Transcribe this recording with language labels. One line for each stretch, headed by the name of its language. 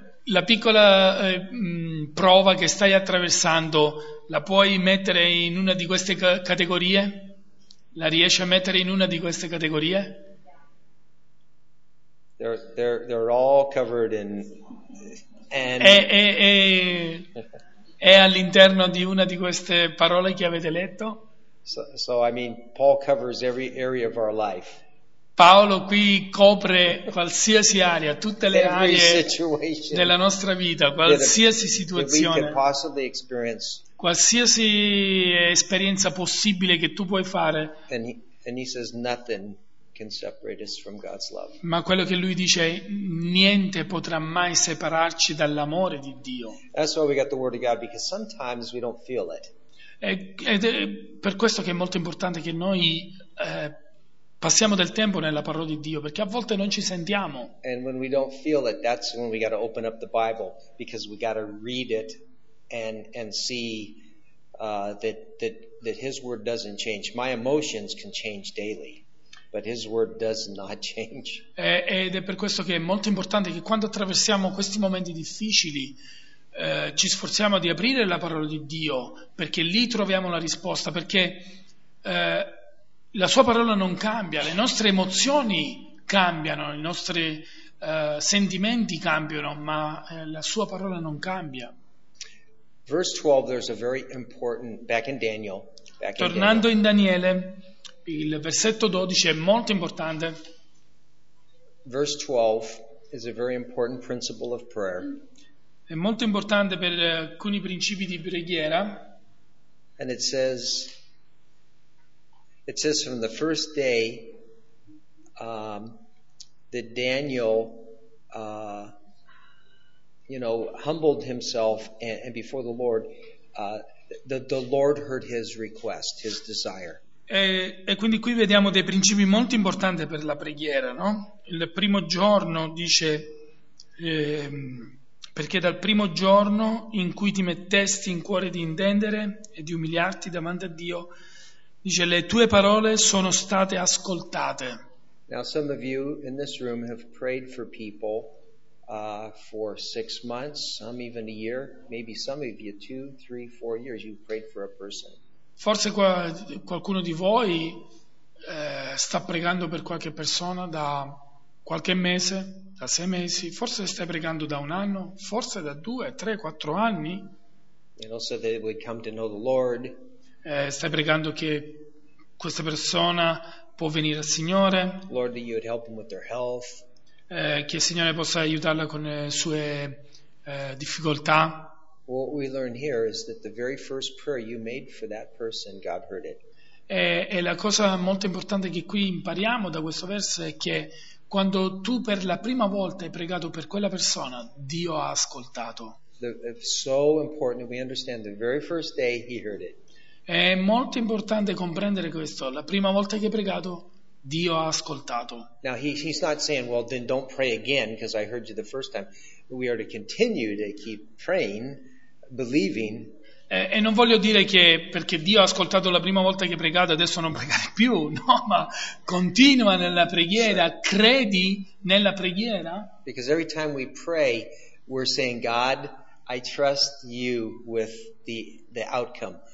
Italian: La piccola prova che stai attraversando, la puoi mettere in una di queste categorie? La riesci a mettere in una di queste categorie?
English: They're all covered in. And...
Italian: È all'interno di una di queste parole che avete letto?
English: So I mean, Paul covers every area of our life.
Italian: Paolo qui copre qualsiasi area, tutte le aree della nostra vita, qualsiasi situazione, qualsiasi esperienza possibile che tu puoi fare.
English: And he says nothing can separate us from God's love.
Italian: Ma quello che lui dice è: niente potrà mai separarci dall'amore di Dio.
English: That's why we got the word of God, because sometimes we don't feel it.
Italian: Ed è per questo che è molto importante che noi passiamo del tempo nella parola di Dio, perché a volte non ci sentiamo.
English: And when we don't feel it, that's when we got to open up the Bible, because we got to read it and see that His word doesn't change. My emotions can change daily, but His word does not change.
Italian: Ed è per questo che è molto importante che quando attraversiamo questi momenti difficili ci sforziamo di aprire la parola di Dio, perché lì troviamo la risposta, perché la sua parola non cambia, le nostre emozioni cambiano, i nostri sentimenti cambiano, ma la sua parola non cambia.
English: Verse 12, there's a very important, back in Daniel. Back in
Italian: Tornando
English: Daniel.
Italian: In Daniele, il versetto 12 è molto importante.
English: Verse 12 is a very important principle of prayer.
Italian: È molto importante per alcuni principi di preghiera.
English: And it says from the first day that Daniel humbled himself and before the Lord, the Lord heard his request, his desire.
Italian: E quindi qui vediamo dei principi molto importanti per la preghiera, no? Il primo giorno dice perché dal primo giorno in cui ti mettesti in cuore di intendere e di umiliarti davanti a Dio, dice, le tue parole sono state ascoltate.
English: Now some of you in this room have prayed for people for 6 months, some even a year, maybe some of you 2, 3, 4 years, you prayed for a person.
Italian: Forse qualcuno di voi sta pregando per qualche persona da qualche mese, da 6 mesi, forse stai pregando da un anno, forse da 2, 3, 4 anni.
English: And also that it would come to know the Lord.
Italian: Stai pregando che questa persona può venire al Signore.
English: Lord, that you would help them with their health.
Italian: Che il Signore possa aiutarla con le sue difficoltà.
English: What we learn here is that the very first prayer you made for that person, God heard it.
Italian: E la cosa molto importante che qui impariamo da questo verso è che quando tu per la prima volta hai pregato per quella persona, Dio ha ascoltato.
English: It's so important that we understand the very first day He heard it.
Italian: È molto importante comprendere questo. La prima volta che hai pregato, Dio ha ascoltato.
English: Now he's not saying, well, then don't pray again because I heard you the first time. We are to continue to keep praying, believing.
Italian: E non voglio dire che perché Dio ha ascoltato la prima volta che hai pregato, adesso non pregare più. No, ma continua nella preghiera. Sure. Credi nella preghiera.
English: Because every time we pray, we're saying, God, I trust you with the outcome.